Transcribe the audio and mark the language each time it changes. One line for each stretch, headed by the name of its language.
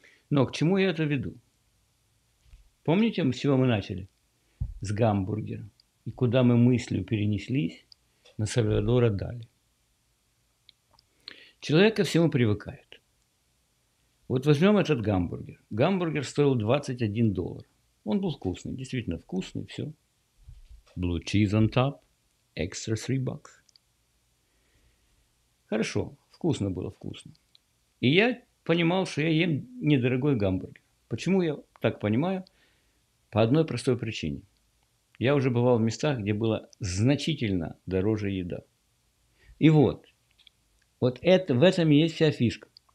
Russian: Но к чему я это веду? Помните, с чего мы начали? С гамбургера. И куда мы мыслью перенеслись? На Сальвадора Дали. Человек ко всему привыкает. Вот возьмем этот гамбургер. Гамбургер стоил 21 доллар. Он был вкусный, действительно вкусный, все.
English: Blue cheese on top, extra 3 bucks.
Russian: Хорошо, вкусно было, вкусно. И я понимал, что я ем недорогой гамбургер. Почему я так понимаю? По одной простой причине. Я уже бывал в местах, где было значительно дороже еда. И вот это, в этом и есть вся фишка.